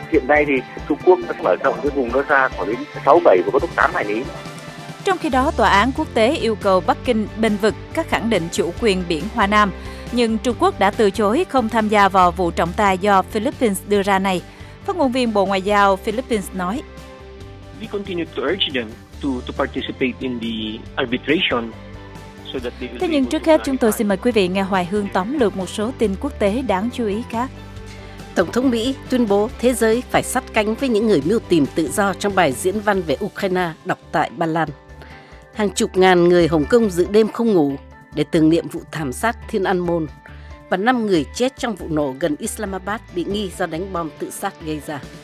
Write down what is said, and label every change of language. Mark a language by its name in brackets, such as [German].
[Vietnamese] Hiện nay thì Trung Quốc đã mở rộng cái vùng đó ra khoảng đến 6-7 và có lúc 8 hải lý. Trong khi đó, tòa án quốc tế yêu cầu Bắc Kinh bênh vực các khẳng định chủ quyền biển Hoa Nam, nhưng Trung Quốc đã từ chối không tham gia vào vụ trọng tài do Philippines đưa ra này. Phát ngôn viên Bộ Ngoại giao Philippines nói: [English] "We continue to urge them to participate in the arbitration." [Vietnamese] Thế nhưng trước hết chúng tôi xin mời quý vị nghe Hoài Hương tóm lược một số tin quốc tế đáng chú ý khác. Tổng thống Mỹ tuyên bố thế giới phải sát cánh với những người mưu tìm tự do trong bài diễn văn về Ukraine đọc tại Ba Lan. Hàng chục ngàn người Hồng Kông dự đêm không ngủ để tưởng niệm vụ thảm sát Thiên An Môn và 5 người chết trong vụ nổ gần Islamabad bị nghi do đánh bom tự sát gây ra.